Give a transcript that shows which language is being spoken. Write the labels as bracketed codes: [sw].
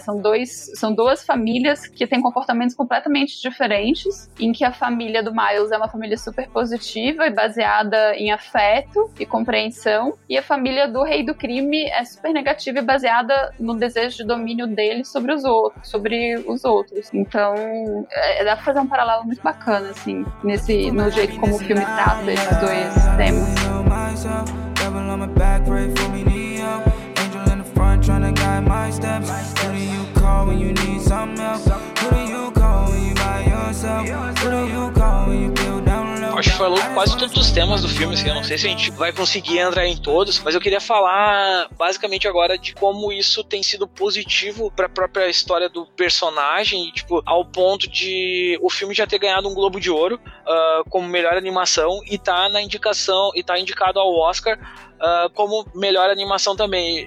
[pt] São duas famílias que têm comportamentos completamente diferentes, em que a família do Miles é uma família super positiva e baseada em afeto e compreensão, e a família do Rei do Crime é super negativa e baseada no desejo de domínio dele sobre os outros. Então, dá pra fazer um paralelo muito bacana, assim, no jeito como o filme trata esses dois temas. [en] Devil on my back, pray for me, Neo. Angel in the front, tryna guide my steps. Who do you call when you need some help? Who do you call when you by yourself? Who do you call when you feel down low? [pt] Acho que falou quase todos os temas do filme, assim. Eu não sei se a gente vai conseguir entrar em todos, mas eu queria falar basicamente agora de como isso tem sido positivo pra própria história do personagem, e, tipo, ao ponto de o filme já ter ganhado um Globo de Ouro como melhor animação e tá indicado ao Oscar como melhor animação também.